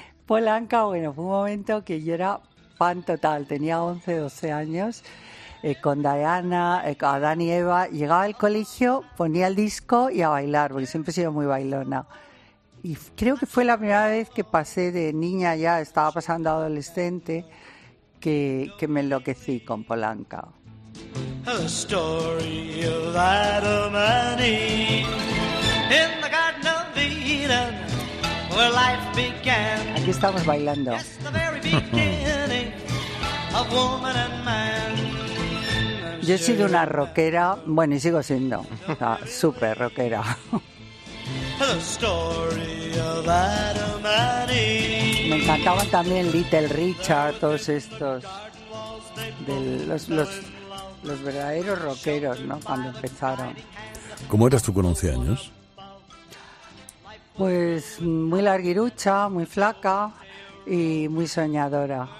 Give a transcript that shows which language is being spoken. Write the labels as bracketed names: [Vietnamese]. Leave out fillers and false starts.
[Spanish] Paul Anka, bueno, fue un momento que yo era fan total, tenía 11, 12 años, con Diana, a Adán y Eva. Llegaba al colegio, ponía el disco y a bailar, porque siempre he sido muy bailona. Y creo que fue la primera vez que pasé de niña ya, estaba pasando a adolescente, que me enloquecí con Paul Anka. [English] The story of Adam and Eve in the Garden of Eden, where life began. [Spanish] Aquí estamos bailando. [English] It's the very beginning of woman and man. [Spanish] Yo he sido una rockera, bueno, y sigo siendo, súper rockera. [English] The story of Adam and Eve. [Spanish] Me encantaban también Little Richard, todos estos de los verdaderos rockeros, ¿no? Cuando empezaron. ¿Cómo eras tú con 11 años? Pues muy larguirucha, muy flaca y muy soñadora.